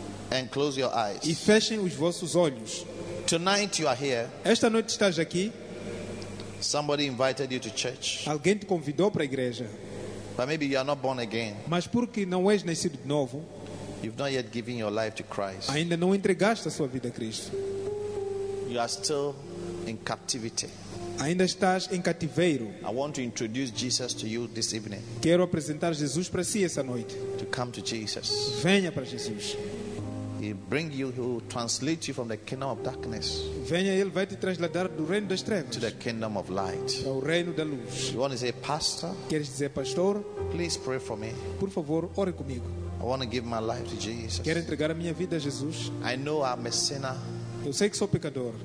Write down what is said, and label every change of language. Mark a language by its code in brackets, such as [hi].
[en] And close your eyes. [pt] E fechem os vossos olhos. [en] Tonight you are here. [pt] Esta noite estás aqui. [en] Somebody invited you to church. [pt] Alguém te convidou para a igreja. [en] But maybe you are not born again. [pt] Mas porque não és nascido de novo? [en] You've not yet given your life to Christ. [pt] Ainda não entregaste a sua vida a Cristo. [en] You are still in captivity. [pt] Ainda estás em cativeiro. [en] I want to introduce Jesus to you this evening. [pt] Quero apresentar Jesus para si essa noite. [en] To come to Jesus. [pt] Venha para Jesus. [en] He bring you, he will translate you from the kingdom of darkness. [pt] Venha, ele vai te trasladar do reino das trevas [en] to the kingdom of light. [pt] Ao reino da luz. [en] You want to say, pastor? [pt] Queres dizer, pastor? [en] Please pray for me. [pt] Por favor, ore comigo. [en] I want to give my life to Jesus. [pt] Quero entregar a minha vida a Jesus. [en] I know I'm a sinner. [pt] Eu sei que sou pecador.